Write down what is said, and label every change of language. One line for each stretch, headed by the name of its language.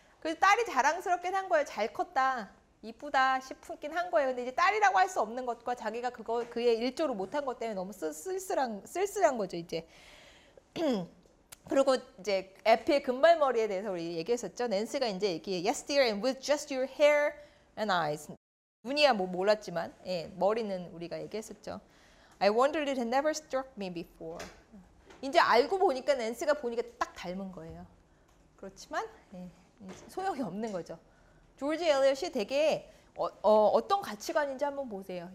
Korean: 그래서 딸이 자랑스럽긴 한 거예요. 잘 컸다, 이쁘다 싶긴 한 거예요. 근데 이제 딸이라고 할 수 없는 것과 자기가 그거 그의 일조로 못한 것 때문에 너무 쓸쓸한 거죠 이제. 그리고 이제 에피의 금발머리에 대해서 우리 얘기했었죠. 낸스가 이제 얘기해.
English: Yes, dear, and with just your hair and eyes.
Korean: 눈이야 뭐 몰랐지만, 예, 머리는 우리가 얘기했었죠.
English: I wondered it had never struck me before.
Korean: 이제 알고 보니까 낸스가 보니까 딱 닮은 거예요. 그렇지만 예, 소용이 없는 거죠. 조지 엘리엇이 되게 어떤 가치관인지 한번 보세요.